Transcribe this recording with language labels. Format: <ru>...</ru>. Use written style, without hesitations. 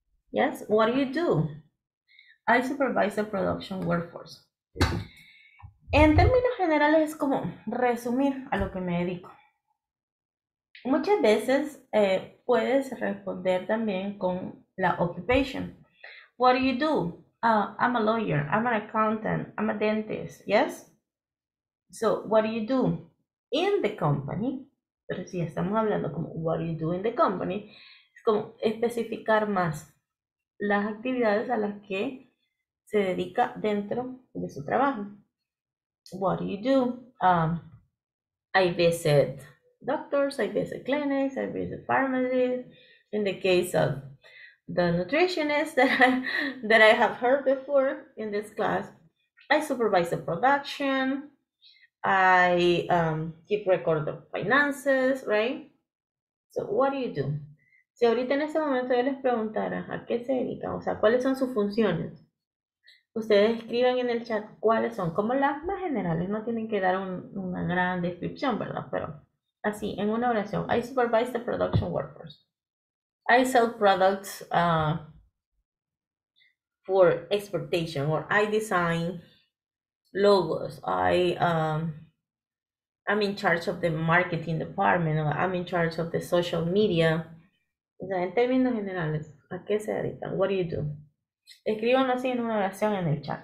<en>Yes, what do you do? I supervise the production workforce.</en> <es>En términos generales es como resumir a lo que me dedico. Muchas veces puedes responder también con la occupation.</es> <en>What do you do? I'm a lawyer, I'm an accountant, I'm a dentist. Yes? So, what do you do? In the company,</en> <es>Pero si estamos hablando como</es> <en>what you do in the company,</en> <es>es como especificar más las actividades a las que se dedica dentro de su trabajo.</es> <en>What do you do? I visit doctors, I visit clinics, I visit pharmacies. In the case of the nutritionist that I have heard before in this class, I supervise the production, I keep record of finances, right? So what do you do?</en> <es>Si ahorita en este momento yo les preguntara a qué se dedican, o sea, cuáles son sus funciones, ustedes escriban en el chat cuáles son, como las más generales, no tienen que dar una gran descripción, ¿verdad? Pero así, en una oración,</es> <en>I supervise the production workforce. I sell products for exportation, or I design logos. I'm in charge of the marketing department, or I'm in charge of the social media.</en> <es>O sea, en términos generales, ¿a qué se dedican?</es> <en>What do you do?</en> <es>Escríbanlo así en una oración en el chat.</es>